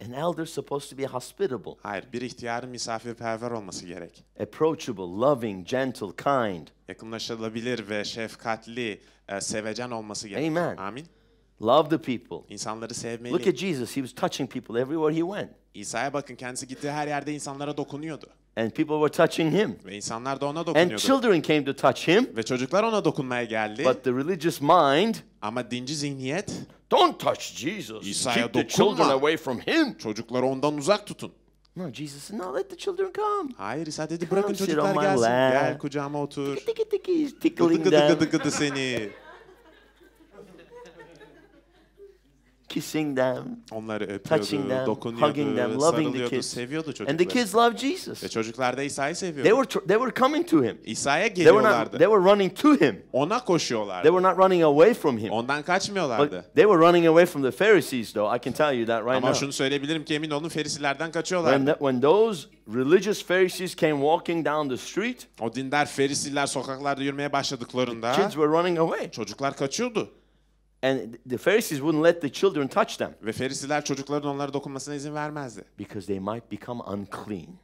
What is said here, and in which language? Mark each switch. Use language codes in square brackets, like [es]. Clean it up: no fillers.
[en] No, an elder supposed to be hospitable. [tr] Hayır, bir ihtiyarın misafirperver olması gerek. [en] Approachable, loving, gentle, kind. [tr] Yakınlaşılabilir ve şefkatli, sevecen olması gerek. [en] Amen. [tr] Amin. [en] Love the people. [tr] İnsanları sevmeli. [en] Look at Jesus, he was touching people everywhere he went. [tr] İsa'ya bakın, kendisi gittiği her yerde insanlara dokunuyordu. [en] And people were touching him. [tr] Ve insanlar da ona dokunuyordu. [en] And children came to touch him. [tr] Ve çocuklar ona dokunmaya geldi. [en] But the religious mind. [tr] Ama dinci zihniyet. [en] Don't touch Jesus. [tr] İsa'ya dokunma. [en] Keep the children away from him. [tr] Çocukları ondan uzak tutun. [en] No, Jesus said, no, let the children come. [tr] Hayır, İsa dedi, bırakın çocuklar gelsin. Gel kucağıma otur. [en] Tiki tiki tiki, tickling them. [tr] Gıdı gıdı gıdı seni. [en] Kissing them, [tr] onları öpüyordu, [en] touching them, [tr] dokunuyordu, [en] hugging them, loving the kids. [tr] Seviyordu çocukları. [en] And the kids loved Jesus. [tr] Ve çocuklar da İsa'yı seviyordu. [en] They were coming to him. [tr] İsa'ya geliyorlardı. [en] They were running to him. [tr] Ona koşuyorlardı. [en] They were not running away from him. [tr] Ondan kaçmıyorlardı. [en] But they were running away from the Pharisees, though. I can tell you that right [tr] ama [en] now. [tr] Ama şunu söyleyebilirim ki emin olun, Ferisilerden kaçıyorlardı. [en] When those religious Pharisees came walking down the street, [tr] o dindar Ferisiler sokaklarda yürümeye başladıklarında, [en] the kids were running away. [tr] Çocuklar kaçıyordu. [en] And the Pharisees wouldn't let the children touch them. [tr] Ve Ferisiler çocukların onlara dokunmasına izin vermezdi. [en] Because they might become unclean.